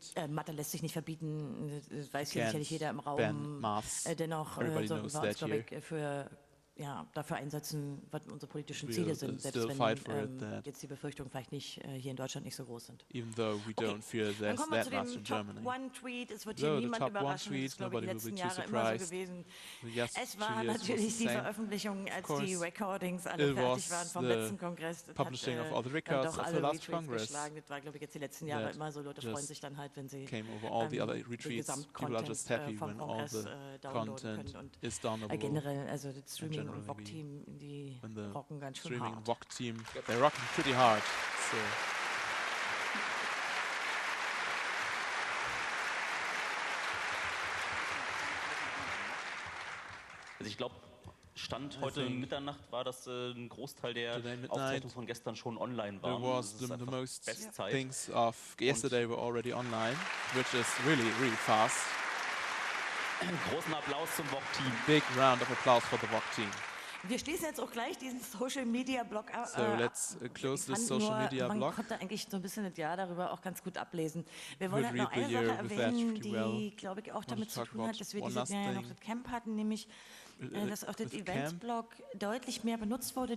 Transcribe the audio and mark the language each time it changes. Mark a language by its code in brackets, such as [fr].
[de] Mathe lässt sich nicht verbieten, das weiß hier sicherlich jeder im Raum. Dennoch sollten wir uns, glaube ich, dafür einsetzen, was unsere politischen Ziele sind, selbst wenn jetzt die Befürchtungen vielleicht nicht hier in Deutschland nicht so groß sind. [en] Even though we don't fear there's that much in Germany. [de] Dann kommen wir zu dem Top-1-Tweet. Es wird hier niemand überraschen, das ist, glaube ich, in den letzten Jahren immer so gewesen. Es war natürlich die Veröffentlichung, als die Recordings alle fertig waren vom letzten Kongress. Das hat dann doch alle Retweets geschlagen. Das war, glaube ich, jetzt die letzten Jahre immer so. Leute freuen sich dann halt, wenn sie den Gesamtcontent vom Kongress downloaden können. Und generell, also das Streaming und VOG-Team, die rocken ganz schön hart. [en] VOG-Team, they rocken pretty hard. So. [de] Also ich glaube, Stand heute Mitternacht war, dass ein Großteil der Auftritte von gestern schon online waren. [en] It was the most things of yesterday were already online, which is really, really fast. [de] Großen Applaus zum VOG-Team. [en] Big round of applause for the VOG-Team. [de] Wir schließen jetzt auch gleich diesen Social-Media-Blog ab. [en] So, let's close this Social-Media-Blog. [de] Man konnte eigentlich so ein bisschen das Jahr darüber auch ganz gut ablesen. Wir wollen halt noch eine Sache erwähnen, die, glaube ich, auch damit zu tun hat, dass wir dieses Jahr noch das Camp hatten, nämlich, dass auch das Event-Blog deutlich mehr benutzt wurde.